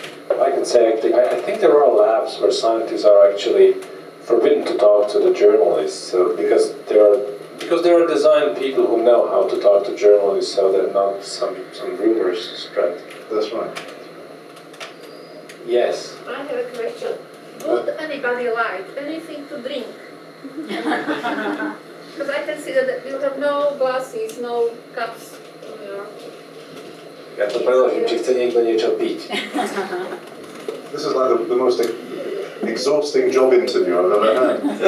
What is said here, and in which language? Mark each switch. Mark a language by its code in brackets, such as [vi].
[en] I can say, I think there are labs where scientists are actually forbidden to talk to the journalists, because there are designed people who know how to talk to journalists, so they're not some rumors spread. That's right. Yes. I have a question. Would anybody like, any thinking to drink? Because I can see that you have no glasses, no cups. [sk] Ja to preložím, či chce niekto niečo piť. [en] This is like the most exhausting job interview I've ever had.